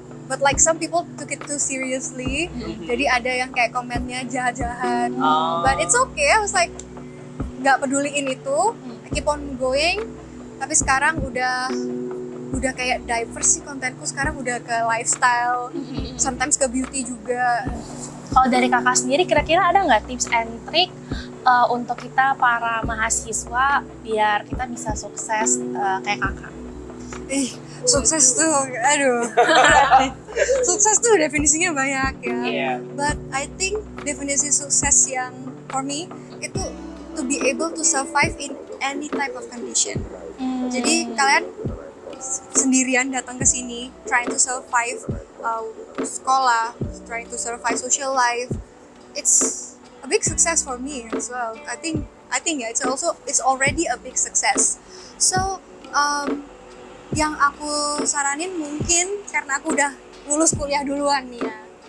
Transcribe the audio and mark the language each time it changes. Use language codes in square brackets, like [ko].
[en] But like some people took it too seriously. [id] Jadi ada yang kayak komennya jahat-jahat. [en] But it's okay, I was like [id] gak peduliin itu. [en] Keep on going. [id] Tapi sekarang udah kayak diverse sih kontenku. Sekarang udah ke lifestyle, [en] sometimes [id] ke beauty juga. Kalau dari kakak sendiri kira-kira ada gak [en] tips and trick [id] untuk kita para mahasiswa biar kita bisa sukses kayak kakak? Sukses tuh, aduh. Sukses tuh definisinya banyak ya. [en] But I think [id] definisi sukses yang [en] for me [id] itu [en] to be able to survive in any type of condition. [id] Jadi kalian sendirian datang ke sini [en] trying to survive [id] sekolah, [en] trying to survive social life, it's a big success for me as well. I think yeah, it's also it's already a big success. So [id] yang aku saranin mungkin karena aku udah lulus kuliah duluan nih ya.